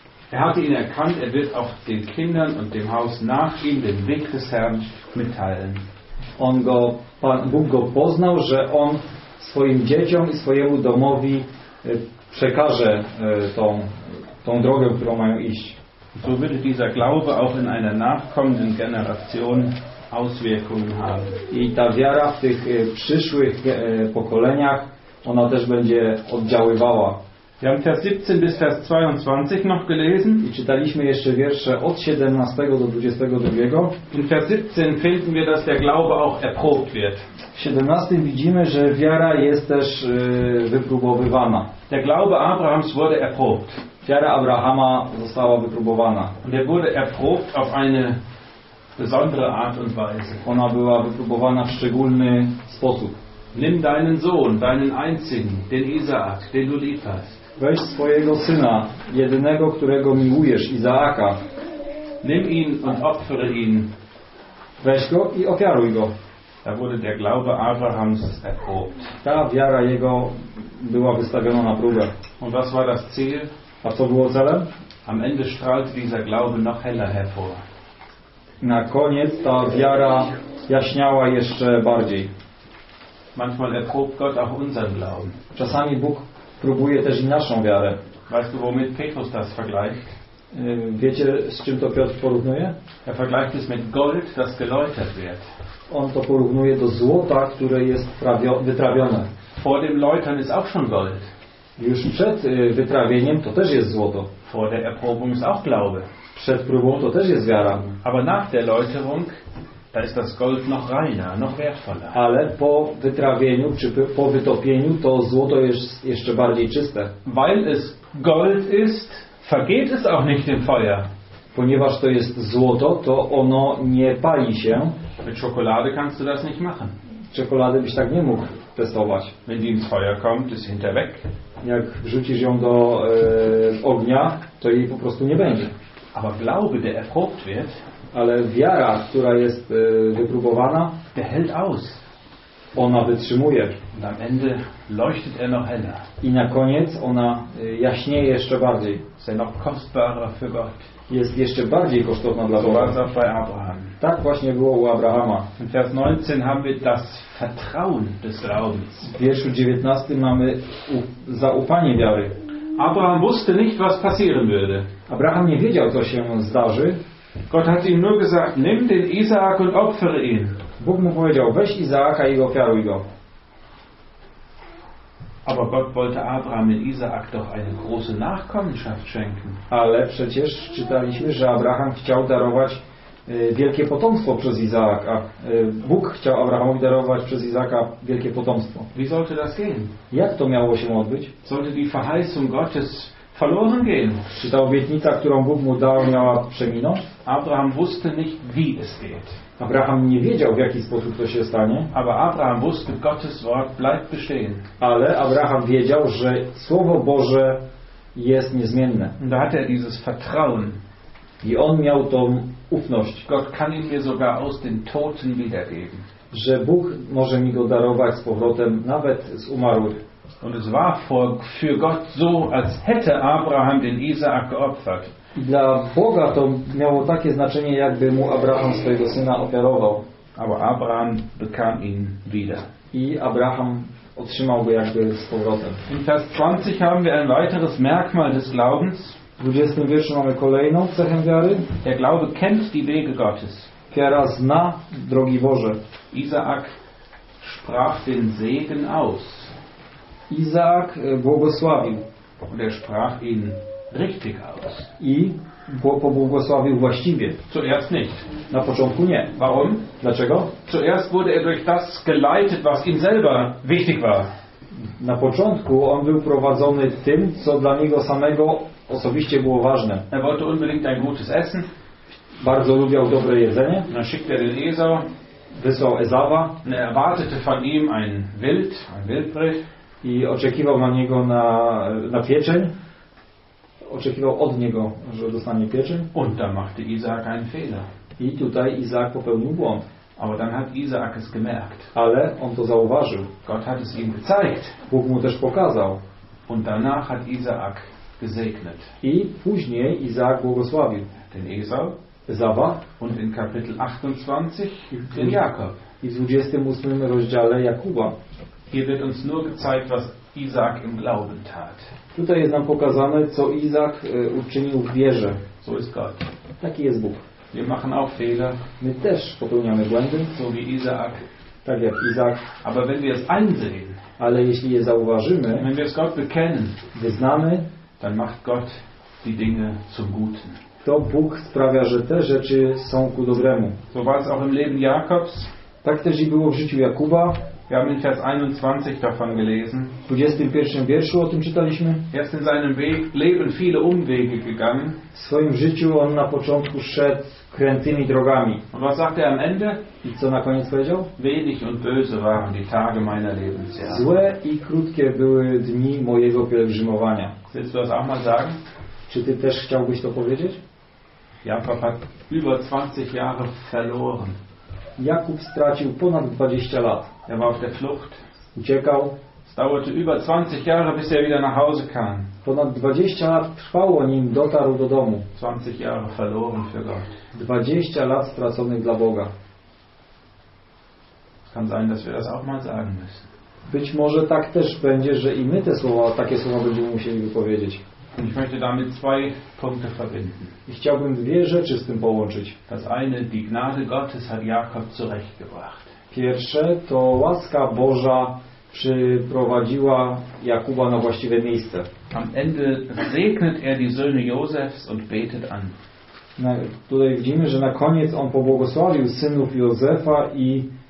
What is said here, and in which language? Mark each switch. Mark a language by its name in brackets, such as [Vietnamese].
[German] Er hatte ihn erkannt, er wird auch den Kindern und dem Haus nach ihm den Weg des Herrn mitteilen. [Polish] On go, Pan, Bóg go poznał, że on swoim dzieciom i swojemu domowi przekaże tą drogę, którą mają iść. [German] So würde dieser Glaube auch in einer nachkommenden Generation Auswirkungen haben. [Polish] I ta wiara w tych przyszłych pokoleniach, ona też będzie oddziaływała. [German] Wir haben Vers 17 bis Vers 22 noch gelesen. [Polish] I czytaliśmy jeszcze wiersze od 17 do 22. [German] In Vers 17 finden wir, dass der Glaube auch erprobt wird. [Polish] W 17 widzimy, że wiara jest też wypróbowywana. [German] Der Glaube Abrahams wurde erprobt. [Polish] Wiara Abrahama została wypróbowana. [German] Und er wurde erprobt auf eine besondere Art und Weise. [Polish] Ona była wypróbowana w szczególny sposób. [German] Nimm deinen Sohn, deinen einzigen, den Isaak, den du lieb hast. [Polish] Weź swojego syna, jedynego, którego miłujesz, Izaaka. [German] Nimm ihn und opfere ihn. [Polish] Weź go i ofiaruj go. [German] Da wurde der Glaube Abrahams erprobt. [Polish] Ta wiara jego była wystawiona na próbę. [German] Und was war das Ziel? [Polish] A co było celem? [German] Am Ende strahlte dieser Glaube noch heller hervor. [Polish] Na koniec ta wiara jaśniała jeszcze bardziej. [German] Manchmal erprobt Gott auch unseren Glauben. [Polish] Czasami Bóg próbuje też i naszą wiarę. [German] Weißt du, womit Petrus das vergleicht? [Polish] Wiecie, z czym to Piotr porównuje? [German] Er vergleicht es mit Gold, das geläutert wird. [Polish] On to porównuje do złota, które jest wytrawione. [German] Vor dem Läutern ist auch schon Gold. [Polish] Już przed wytrawieniem to też jest złoto. [German] Vor der Erprobung ist auch Glaube. [Polish] Przed próbą to też jest wiara. [German] Aber nach der Läuterung, da ist das Gold noch reiner, noch wertvoller. [Polish] Ale po wytrawieniu czy po wytopieniu to złoto jest jeszcze bardziej czyste. [German] Weil es Gold ist, vergeht es auch nicht im Feuer. [Polish] Ponieważ to jest złoto, to ono nie pali się. [German] Mit Schokolade kannst du das nicht machen. [Polish] Czekolady byś tak nie mógł testować. [German] Wenn die ins Feuer kommt, ist hinter weg. [Polish] Jak wrzucisz ją do ognia, to jej po prostu nie będzie. [German] Aber Glaube, der erprobt wird, [Polish] ale wiara, która jest wypróbowana, [German] der hält aus. [Polish] Ona wytrzymuje. [German] Und am Ende leuchtet noch heller. [Polish] I na koniec ona jaśnieje jeszcze bardziej. [German] Sei noch kostbarer für Gott. [Polish] Jest jeszcze bardziej kosztowna dla Boga. [German] So war's bei Abraham. [Polish] Tak właśnie było u Abrahama. [German] In Vers 19 haben wir das Vertrauen des Glaubens. [Polish] W wierszu 19 mamy zaufanie wiary. [German] Abraham wusste nicht, was passieren würde. [Polish] Abraham nie wiedział, co się zdarzy. [German] Gott hat ihm nur gesagt, nimm den Isaak und opfere ihn. [Polish] Bóg mu powiedział, weź Izaaka i ofiaruj go. [German] Aber Gott wollte Abraham in Isaak doch eine große Nachkommenschaft schenken. [Polish] Ale przecież czytaliśmy, że Abraham chciał darować wielkie potomstwo przez Izaaka. Bóg chciał Abrahamowi darować przez Izaaka wielkie potomstwo. [German] Wie sollte das gehen? [Polish] Jak to miało się odbyć? [German] Sollte die Verheißung Gottes verloren gehen? [Polish] Czy ta obietnica, którą Bóg mu dał, miała przeminąć? [German] Abraham wusste nicht, wie es geht. [Polish] Abraham nie wiedział, w jaki sposób to się stanie. [German] Aber Abraham wusste, Gottes Wort bleibt bestehen. [Polish] Ale Abraham wiedział, że Słowo Boże jest niezmienne. [German] Da hat er dieses Vertrauen. [Polish] I on miał tą ufność. [German] Gott kann ihn mir sogar aus den Toten wiedergeben. [Polish] Że Bóg może mi go darować z powrotem, nawet z umarłych. [German] Und es war für Gott so, als hätte Abraham den Isaak geopfert. [Polish] Dla Boga to miało takie znaczenie, jakby mu Abraham swojego syna ofiarował. [German] Aber Abraham bekam ihn wieder. [Polish] I Abraham otrzymał go jakby z powrotem. [German] In Vers 20 haben wir ein weiteres Merkmal des Glaubens. [Polish] W 20 wierszu mamy kolejną cechę wiary. [German] Der Glaube kennt die Wege Gottes. [Polish] Wiara zna drogi Boże. [German] Isaak sprach den Segen aus. [Polish] Isaak błogosławił. [German] Und er sprach ihn richtig aus. [Polish] I pobłogosławił właściwie. [German] Zuerst nicht. [Polish] Na początku nie. [German] Warum? [Polish] Dlaczego? [German] Zuerst wurde er durch das geleitet, was ihm selber wichtig war. [Polish] Na początku on był prowadzony tym, co dla niego samego osobiście było ważne. [German] Er wollte unbedingt ein gutes Essen. [Polish] Bardzo lubił dobre jedzenie. [German] Dann schickte er den Esau. [Polish] Wysłał Ezawa. [German] Er erwartete von ihm ein Wild, ein Wildbret. [Polish] I oczekiwał na niego na pieczeń. Oczekiwał od niego, że dostanie pieczeń. [German] Und da machte Isaak einen Fehler. [Polish] I tutaj Izaak popełnił błąd. [German] Aber dann hat Isaak es gemerkt. [Polish] Ale on to zauważył. [German] Gott hat es ihm gezeigt. [Polish] Bóg mu też pokazał. [German] Und danach hat Isaak gesegnet. [Polish] I później Izaak błogosławił. [German] Den Esau. [Polish] Ezawa. [German] Und in Kapitel 28 den Jakob. [Polish] I w 28 rozdziale Jakuba. [German] Hier wird uns nur gezeigt, was Isaak im Glauben tat. [Polish] Tutaj jest nam pokazane, co Izaak uczynił w wierze. [German] So ist Gott. [Polish] Taki jest Bóg. [German] Wir machen auch Fehler. [Polish] My też popełniamy błędy. [German] So wie Isaak. [Polish] Tak jak Izaak. [German] Aber wenn wir es einsehen. [Polish] Ale jeśli je zauważymy. [German] Wenn wir es Gott bekennen. [Polish] Wyznamy. [German] Dann macht Gott die Dinge zum Guten. [Polish] To Bóg sprawia, że te rzeczy są ku dobremu. [German] So war es auch im Leben Jakobs. [Polish] Tak też i było w życiu Jakuba. [German] Wir haben in Vers 21 davon gelesen. [Polish] W 21 wierszu o tym czytaliśmy. [German] Er ist in seinem Weg, Leben viele Umwege gegangen. [Polish] W swoim życiu on na początku szedł krętymi drogami. [German] Und was sagt er am Ende? [Polish] I co na koniec powiedział? [German] Wenig und böse waren die Tage meiner Lebensjahre. [Polish] Złe i krótkie były dni mojego pielgrzymowania. [German] Willst du das auch mal sagen? [Polish] Czy ty też chciałbyś to powiedzieć? [German] Jakob hat über 20 Jahre verloren. [Polish] Jakub stracił ponad 20 lat. [German] Er war auf der Flucht. [Polish] Uciekał. [German] Es dauerte über 20 Jahre, bis er wieder nach Hause kam. [Polish] Ponad 20 lat trwało, nim dotarł do domu. [German] 20 Jahre verloren für Gott. [Polish] 20 lat straconych dla Boga. [German] Kann sein, dass wir das auch mal sagen müssen. [Polish] Być może tak też będzie, że i my te słowa, takie słowa będziemy musieli wypowiedzieć. [German] Ich möchte damit zwei Punkte verbinden. [Polish] I chciałbym dwie rzeczy z tym połączyć. [German] Das eine, die Gnade Gottes hat Jakob zurechtgebracht. [Polish] Pierwsze to łaska Boża przyprowadziła Jakuba na właściwe miejsce. [German] Am Ende segnet er die Söhne Josefs und betet an. [Polish] Tutaj widzimy, że na koniec on pobłogosławił synów Józefa i